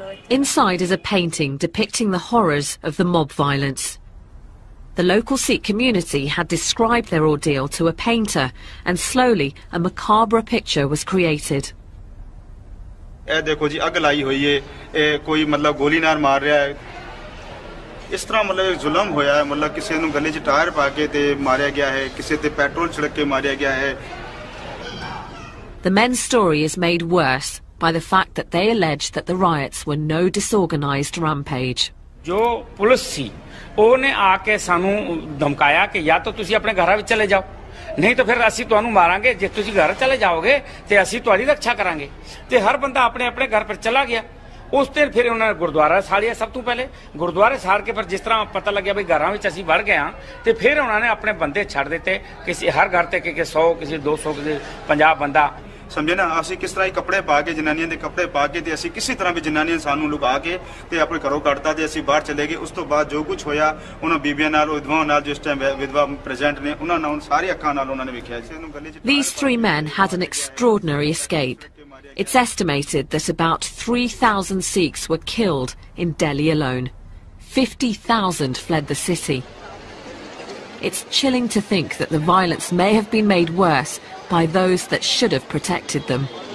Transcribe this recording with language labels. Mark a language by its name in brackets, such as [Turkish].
[English] Inside is a painting depicting the horrors of the mob violence. The local Sikh community had described their ordeal to a painter, and slowly a macabre picture was created. Look, there's a fire. There's no one shooting. [Punjabi] ਇਸ ਤਰ੍ਹਾਂ ਮਤਲਬ ਜ਼ੁਲਮ ਹੋਇਆ ਹੈ, ਮਤਲਬ ਕਿਸੇ ਨੂੰ ਗਲੇ 'ਚ ਟਾਇਰ ਪਾ ਕੇ ਤੇ ਮਾਰਿਆ ਗਿਆ ਹੈ, ਕਿਸੇ ਤੇ ਪੈਟਰੋਲ ਛਿੜਕ ਕੇ ਮਾਰਿਆ ਗਿਆ ਹੈ. [English] The men's story is made worse by the fact that they allege that the riots were no disorganized rampage. [Punjabi] ਜੋ ਪੁਲਿਸ ਸੀ ਉਹਨੇ ਆ ਕੇ ਸਾਨੂੰ ਧਮਕਾਇਆ ਕਿ ਜਾਂ ਤਾਂ ਤੁਸੀਂ ਆਪਣੇ ਘਰਾਂ ਵਿੱਚ ਚਲੇ ਜਾਓ, ਨਹੀਂ ਤਾਂ ਫਿਰ ਅਸੀਂ ਤੁਹਾਨੂੰ ਮਾਰਾਂਗੇ ਜੇ ਤੁਸੀਂ ਘਰ ਚਲੇ ਜਾਓਗੇ ਤੇ ਅਸੀਂ ਤੁਹਾਡੀ ਰੱਖਿਆ ਕਰਾਂਗੇ. ਤੇ ਹਰ ਬੰਦਾ ਆਪਣੇ ਆਪਣੇ ਘਰ ਪਰ ਚਲਾ ਗਿਆ. ਉਸ ਤੇ ਫਿਰ ਉਹਨਾਂ ਨੇ ਗੁਰਦੁਆਰਾ ਸਾੜਿਆ. ਸਭ ਤੋਂ ਪਹਿਲੇ ਗੁਰਦੁਆਰੇ ਸਾੜ ਕੇ ਫਿਰ ਜਿਸ ਤਰ੍ਹਾਂ ਪਤਾ ਲੱਗਿਆ ਵੀ ਘਰਾਂ ਵਿੱਚ ਅਸੀਂ ਵੜ ਗਏ ਹਾਂ ਤੇ ਫਿਰ ਉਹਨਾਂ ਨੇ ਆਪਣੇ ਬੰਦੇ ਛੱਡ ਦਿੱਤੇ, ਕਿਸੇ ਹਰ ਘਰ ਤੇ ਕਿਸੇ 100 ਕਿਸੇ 200 ਕਿਸੇ 50 ਬੰਦਾ. ਸਮਝੇ ਨਾ ਅਸੀਂ ਕਿਸ ਤਰ੍ਹਾਂ ਕੱਪੜੇ ਪਾ ਕੇ, ਜਨਾਨੀਆਂ ਦੇ ਕੱਪੜੇ ਪਾ ਕੇ ਤੇ ਅਸੀਂ ਕਿਸੇ ਤਰ੍ਹਾਂ ਵੀ ਜਨਾਨੀਆਂ ਸਾਨੂੰ ਲੁਕਾ ਕੇ ਤੇ ਆਪਣੇ ਘਰੋਂ ਕੱਢਤਾ ਤੇ ਅਸੀਂ ਬਾਹਰ ਚਲੇ ਗਏ. ਉਸ ਤੋਂ ਬਾਅਦ ਜੋ ਕੁਝ ਹੋਇਆ ਉਹਨਾਂ ਬੀਬੀਆਂ ਨਾਲ, ਵਿਧਵਾਵਾਂ ਨਾਲ, ਜਿਸ ਟਾਈਮ ਵਿਧਵਾ ਪ੍ਰੈਜ਼ੈਂਟ ਨੇ, ਉਹਨਾਂ ਨਾਲ ਸਾਰੀ ਅੱਖਾਂ ਨਾਲ ਉਹਨਾਂ ਨੇ ਵੇਖਿਆ. [English] These three men had an extraordinary escape. It's estimated that about 3,000 Sikhs were killed in Delhi alone. 50,000 fled the city. It's chilling to think that the violence may have been made worse by those that should have protected them.